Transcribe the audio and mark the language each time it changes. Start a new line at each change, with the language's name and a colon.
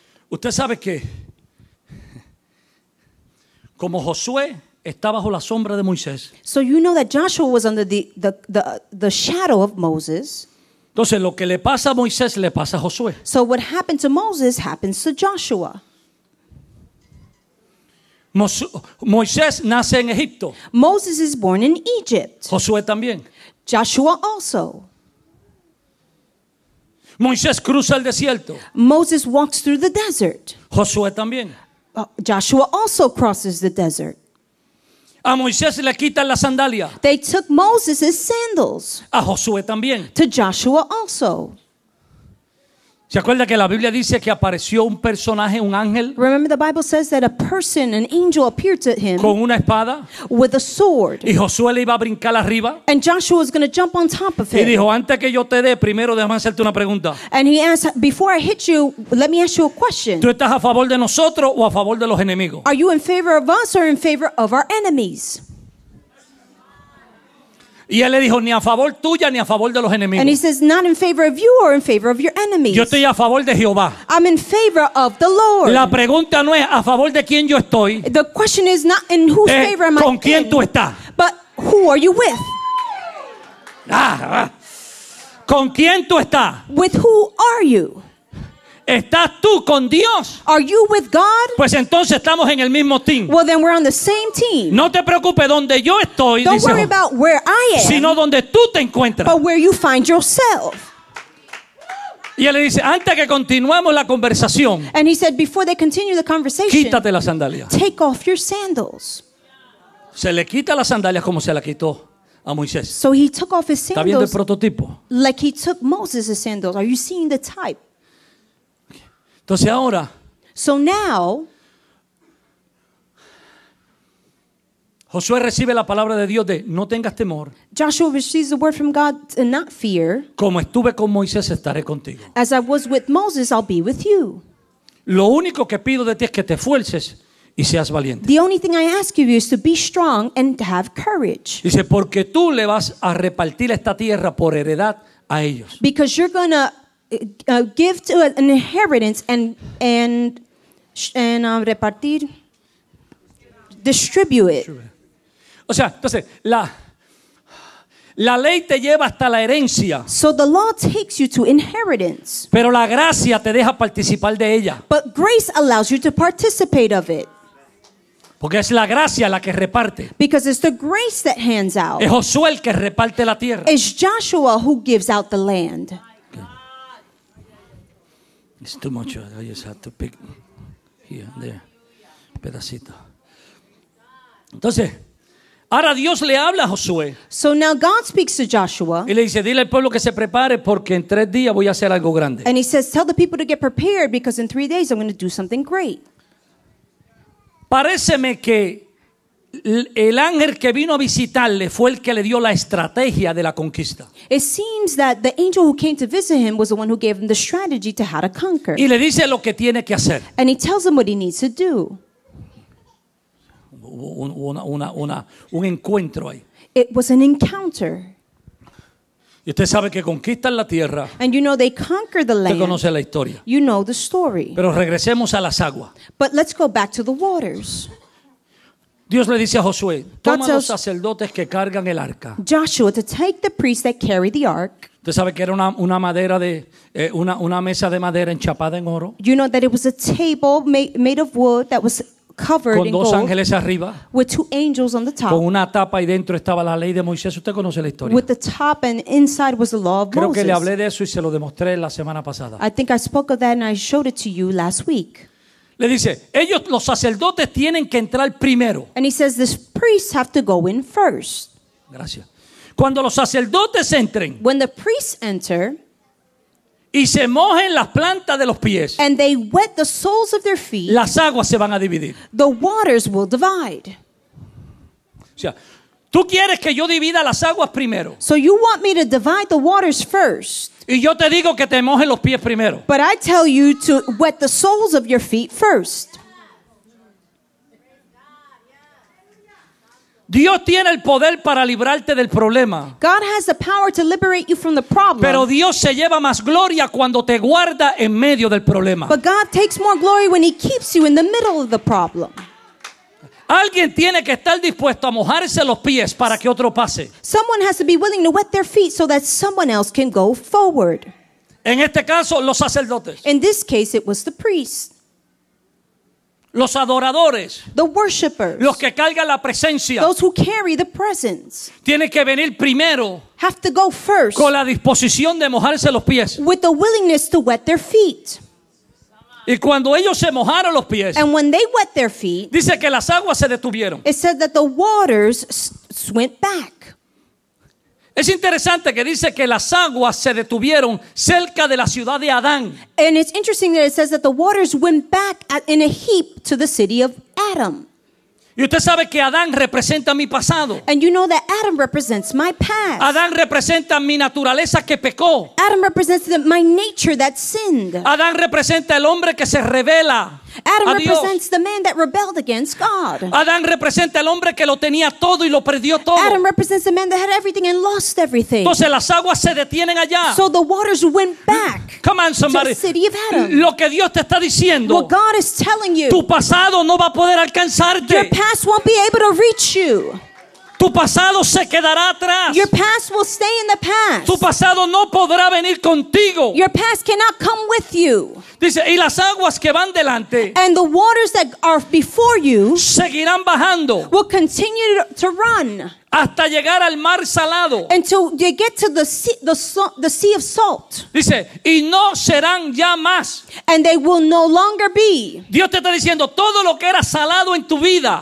Spanish: Usted sabe que como Josué está bajo la sombra de Moisés.
English: So you know that Joshua was under the shadow of Moses.
Spanish: Entonces lo que le pasa a Moisés le pasa a Josué.
English: So what happened to Moses happens to Joshua.
Spanish: Moisés nace en Egipto.
English: Moses is born in Egypt.
Spanish: Josué también.
English: Joshua also.
Spanish: Moisés cruza el desierto.
English: Moses walks through the desert.
Spanish: Josué también.
English: Joshua also crosses the desert.
Spanish: A Moisés le quitan las sandalias.
English: They took Moses' sandals.
Spanish: A Josué también.
English: To Joshua also.
Spanish: ¿Se acuerda que la Biblia dice que apareció un personaje, un ángel?
English: Remember the Bible says that a person, an angel appeared to him.
Spanish: Con una espada.
English: With a sword.
Spanish: Y Josué le iba a brincar arriba.
English: And Joshua was going to jump on top of him.
Spanish: Y dijo, antes que yo te dé, primero déjame hacerte una pregunta.
English: And he asked, before I hit you, let me ask you a question.
Spanish: ¿Tú estás a favor de nosotros o a favor de los enemigos?
English: Are you in favor of us or in favor of our enemies?
Spanish: Y él le dijo, ni a favor tuya ni a favor de los enemigos.
English: And he says, not in favor of you or in favor of your enemies.
Spanish: Yo estoy a favor de Jehová.
English: I'm in favor of the Lord.
Spanish: La pregunta no es a favor de quién yo estoy.
English: The question is not in whose favor am I in.
Spanish: ¿Con quién tú estás?
English: But who are you with?
Spanish: ¿Con quién tú estás?
English: With who are you?
Spanish: ¿Estás tú con Dios?
English: Are you with God?
Spanish: Pues entonces estamos en el mismo team.
English: Well, then we're on the same team.
Spanish: No te preocupes donde yo estoy.
English: Don't worry about where I am.
Spanish: Sino donde tú te encuentras.
English: But where you find yourself.
Spanish: Y él le dice, antes que continuemos la conversación.
English: And he said, before they continue the conversation.
Spanish: Quítate las sandalias.
English: Take off your sandals.
Spanish: Se le quita las sandalias como se la quitó a Moisés.
English: So he took off his sandals.
Spanish: ¿Está viendo el prototipo?
English: Like he took Moses' sandals. Are you seeing the type?
Spanish: Entonces ahora,
English: so now,
Spanish: Josué recibe la palabra de Dios de no tengas temor.
English: Joshua receives the word from God to not fear.
Spanish: Como estuve con Moisés, estaré contigo.
English: As I was with Moses, I'll be with you.
Spanish: Lo único que pido de ti es que te esfuerces y seas valiente.
English: The only thing I ask of you is to be strong and to have courage.
Spanish: Dice, porque tú le vas a repartir esta tierra por heredad a ellos.
English: Because you're gonna give to an inheritance and repartir, distribute it.
Spanish: O sea, entonces la ley te lleva hasta la herencia.
English: So the law takes you to inheritance.
Spanish: Pero la gracia te deja participar de ella.
English: But grace allows you to participate of it.
Spanish: Porque es la gracia la que reparte.
English: Because it's the grace that hands out.
Spanish: Es Josué el que reparte la tierra.
English: It's Joshua who gives out the land. It's too much. I just have to pick here and there.
Spanish: Pedacito. Entonces, ahora Dios le habla a Josué.
English: So now God speaks to Joshua.
Spanish: Y le dice, dile al pueblo que se prepare porque en tres días voy a hacer algo grande.
English: And he says, tell the people to get prepared because in three days I'm going to do something great.
Spanish: Paréceme que el ángel que vino a visitarle fue el que le dio la estrategia de la conquista.
English: It seems that the angel who came to visit him was the one who gave him the strategy to how to conquer.
Spanish: Y le dice lo que tiene que hacer.
English: And he tells him what he needs to do.
Spanish: Un encuentro ahí.
English: It was an encounter.
Spanish: Y usted sabe que conquistan la tierra.
English: And you know they conquer the land.
Spanish: Usted conoce la historia.
English: You know the story.
Spanish: Pero regresemos a las aguas.
English: But let's go back to the waters.
Spanish: Dios le dice a Josué, toma los sacerdotes que cargan el arca.
English: Joshua, to take the priests that carry the ark.
Spanish: Usted sabe que era una madera de una mesa de madera enchapada en oro.
English: You know that it was a table made of wood that was covered
Spanish: con dos ángeles arriba.
English: With two angels on the top.
Spanish: Con una tapa y dentro estaba la ley de Moisés. Usted conoce la historia.
English: With the top and inside was the law of Moses.
Spanish: Creo que le hablé de eso y se lo demostré la semana pasada.
English: I think I spoke of that and I showed it to you last week.
Spanish: Le dice, ellos, los sacerdotes, tienen que entrar primero.
English: And he says, the priests have to go in first.
Spanish: Gracias. Cuando los sacerdotes entren.
English: When the priests enter.
Spanish: Y se mojen las plantas de los pies.
English: And they wet the soles of their feet.
Spanish: Las aguas se van a dividir.
English: The waters will divide.
Spanish: O sea, tú quieres que yo divida las aguas primero.
English: So you want me to divide the waters first.
Spanish: Y yo te digo que te mojes los pies primero.
English: But I tell you to wet the soles of your feet first.
Spanish: Dios tiene el poder para librarte del problema.
English: God has the power to liberate you from the problem.
Spanish: Pero Dios se lleva más gloria cuando te guarda en medio del problema.
English: But God takes more glory when he keeps you in the middle of the problem.
Spanish: Alguien tiene que estar dispuesto a mojarse los pies para que otro pase.
English: Someone has to be willing to wet their feet so that someone else can go forward.
Spanish: En este caso, los sacerdotes.
English: In this case, it was the priests.
Spanish: Los adoradores.
English: The worshippers.
Spanish: Los que cargan la presencia.
English: Those who carry the presence.
Spanish: Tienen que venir primero.
English: Have to go first.
Spanish: Con la disposición de mojarse los pies.
English: With the willingness to wet their feet.
Spanish: Y cuando ellos se mojaron los pies,
English: and when they wet their feet,
Spanish: dice que las aguas se detuvieron.
English: It said that the waters went back.
Spanish: Es interesante que dice que las aguas se detuvieron cerca de la ciudad de Adán.
English: And it's interesting that it says that the waters went back at, in a heap to the city of Adam.
Spanish: Y usted sabe que Adán representa mi pasado.
English: And you know that Adam represents my past.
Spanish: Adán representa mi naturaleza que pecó.
English: Adam represents the, my nature that sinned.
Spanish: Adán representa el hombre que se rebela.
English: Adam a represents
Spanish: Dios.
English: The man that rebelled against God.
Spanish: Adán representa el hombre que lo tenía todo y lo perdió todo.
English: Adam represents the man that had everything and lost everything.
Spanish: Entonces las aguas se detienen allá.
English: So the waters went back. Come on, somebody. To the city of Adam.
Spanish: Lo que Dios te está diciendo.
English: What God is telling you.
Spanish: Tu pasado no va a poder alcanzarte.
English: Your past won't be able to reach you.
Spanish: Tu pasado se quedará atrás.
English: Your past will stay in the past.
Spanish: Tu pasado no podrá venir contigo.
English: Your past cannot come with you.
Spanish: Dice, y las aguas que van delante,
English: and the waters that are before you,
Spanish: seguirán bajando,
English: will continue to run,
Spanish: hasta llegar al mar salado,
English: until you get to the sea of salt.
Spanish: Dice, y no serán ya más,
English: and they will no longer be.
Spanish: Dios te está diciendo todo lo que era salado en tu vida.